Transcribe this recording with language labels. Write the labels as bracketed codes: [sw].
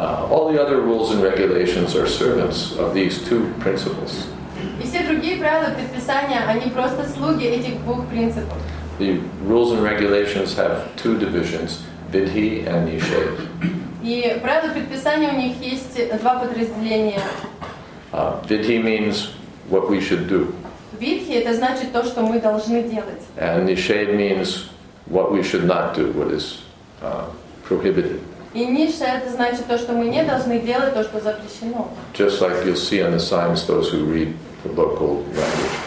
[en] All the other rules and regulations are servants of these two principles. [ru] И все другие правила предписания, они просто слуги этих двух принципов. [en] The rules and regulations have two divisions, vidhi and niseva. [ru] И правила предписания у них есть два подразделения. [en] Vidhi means what we should do. [ru] Vidhi это значит то, что мы должны делать. [en] And nishedh means what we should not do, what is prohibited. [ru] И ниша это значит то, что мы не должны делать, то, что запрещено. [en] Just like you'll see on the signs, those who read the local language.